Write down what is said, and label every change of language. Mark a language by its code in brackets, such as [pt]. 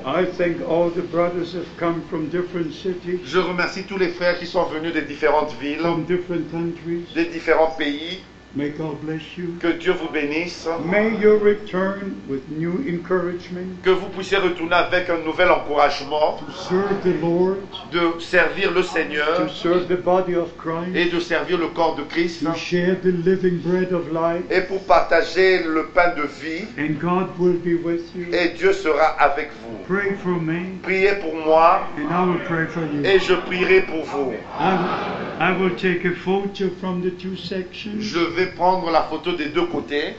[en] I thank all the brothers have come from different cities. [fr] Je remercie tous les frères qui sont venus des différentes villes. [en] From different countries. [fr] Des différents pays. [en] May God bless you. [fr] Que Dieu vous bénisse. [en] May you return with new encouragement. [fr] Que vous puissiez retourner avec un nouvel encouragement. [en] To serve the Lord. [fr] De servir le Seigneur. [en] To serve the body of Christ. [fr] Et de servir le corps de Christ. [en] To share the living bread of life. [fr] Et pour partager le pain de vie. [en] And God will be with you. [fr] Et Dieu sera avec vous. [en] Pray for me. [fr] Priez pour moi. [en] And I will pray for you. [fr] Et je prierai pour vous. [en] I will take a photo from the two sections. [fr] Je vais prendre la photo des deux côtés